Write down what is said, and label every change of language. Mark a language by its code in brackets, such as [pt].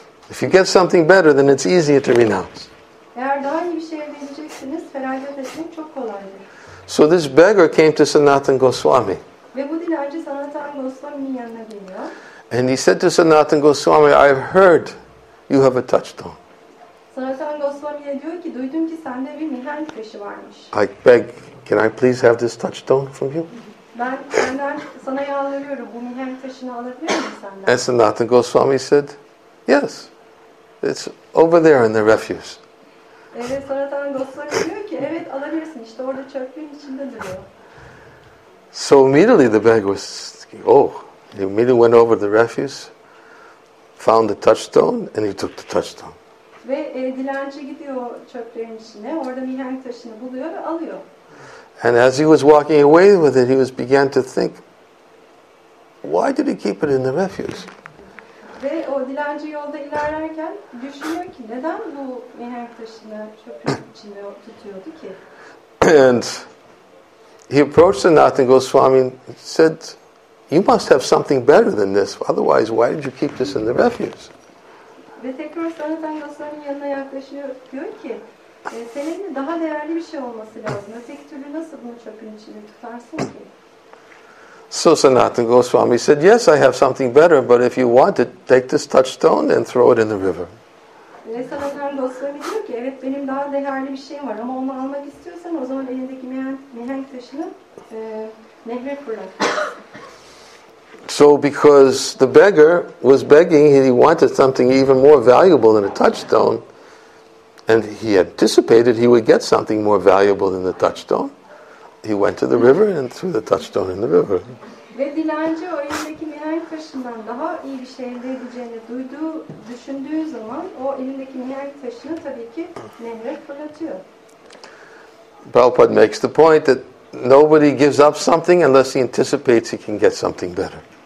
[en] If you get something better, then it's easier to renounce. [tr] Eğer daha iyi bir şey elde edeceksiniz, feragat etmek çok kolaydır. [en] So this beggar came to Sanatana Goswami. [tr] Ve bu dilenci Sanatana Goswami'nin yanına geliyor. [en] And he said to Sanatana Goswami, I've heard you have a touchstone. [tr] Sanatana Goswami'ye diyor ki, duydum ki sende bir mihenk taşı varmış. [en] I beg, can I please have this touchstone from you? [tr] Ben senden sana yalvarıyorum, bu mihenk taşını alabilir miyim senden? [en] And Sanatana Goswami said, yes, it's over there in the refuse. [tr] Evet, Sanatana Goswami diyor ki, evet alabilirsin, işte orada çöplüğün içindedir o. [en] So immediately the beggar was, he immediately went over the refuse, found the touchstone, and he took the touchstone. [tr] Ve dilenci gidiyor çöplüğün içine, orada mihenk taşını buluyor ve alıyor. [en] And as he was walking away with it, he was began to think, why did he keep it in the refuse? [tr] Ve o dilenci yolda ilerlerken düşünüyor ki neden bu mihenk taşını çöpün içinde tutuyordu ki? [en] And he approached Sanatana Goswami and said, you must have something better than this. Otherwise, why did you keep this in the refuse? [tr] Ve tekrar Sanatana Goswami'nin yanına yaklaşıyor. Diyor ki, senin daha değerli bir şey olması lazım. Öteki türlü nasıl bunu çöpün içinde tutarsın ki? [en] So Sanatana Goswami said, yes, I have something better, but if you want it, take this touchstone and throw it in the river. [tr] Sanatana dostuna diyor ki evet benim daha değerli bir şeyim var ama onu almak istiyorsan o zaman elindeki mihenk taşını nehre fırlat. [en] So because the beggar was begging, he wanted something even more valuable than a touchstone, and he anticipated he would get something more valuable than the touchstone. He went to the river and threw the touchstone in the river. [tr] Ve dilenci o elindeki mihenk taşından daha iyi bir şey elde edeceğini düşündüğü zaman o elindeki mihenk taşını tabii ki nehre fırlatıyor. [en] Prabhupada makes the point that nobody gives up something unless he anticipates he can get something better.